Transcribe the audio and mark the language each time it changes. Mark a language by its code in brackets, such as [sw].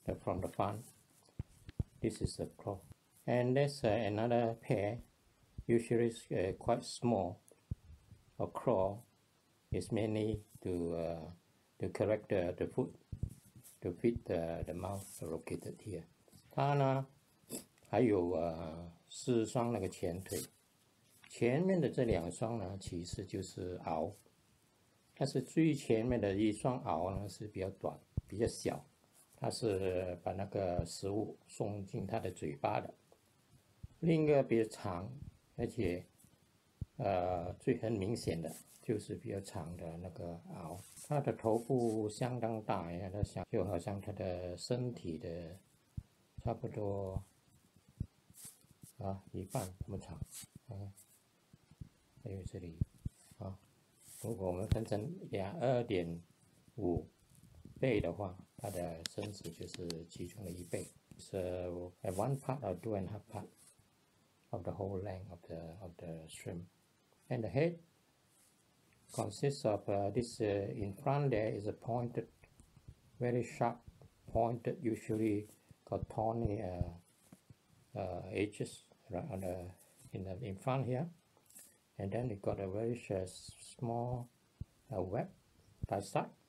[en] From the front, this is a claw, and there's another pair. Usually, quite small. A claw is mainly to correct the foot to fit the mouth located here. [zh] 它呢，还有四双那个前腿，前面的这两双呢，其实就是螯，但是最前面的一双螯呢是比较短，比较小。它是把那个食物送进它的嘴巴的，另一个比较长，而且，最很明显的就是比较长的那个螯，它的头部相当大呀，它像就好像它的身体的差不多一半那么长，还有这里，如果我们分成2.5倍的话。它的身子就是其中的一倍， [en] so one part or 2.5 part of the whole length of the shrimp, and the head consists of this in front there is a pointed, very sharp pointed, usually got thorny edges right on the in front here, and then it got a very small web by side.